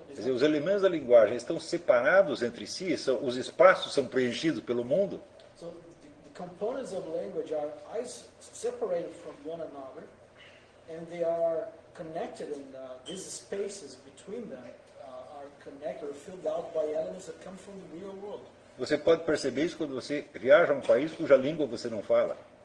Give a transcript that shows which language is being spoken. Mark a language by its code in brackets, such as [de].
[pt] quer dizer, os elementos da linguagem estão separados entre si, são, os espaços são preenchidos pelo mundo. [en] So the components of language are separated from one another, and they are connected, and these spaces between them are connected or filled out by elements that come from the real world. [pt] Você pode perceber isso quando você viaja a um país cuja língua você não fala.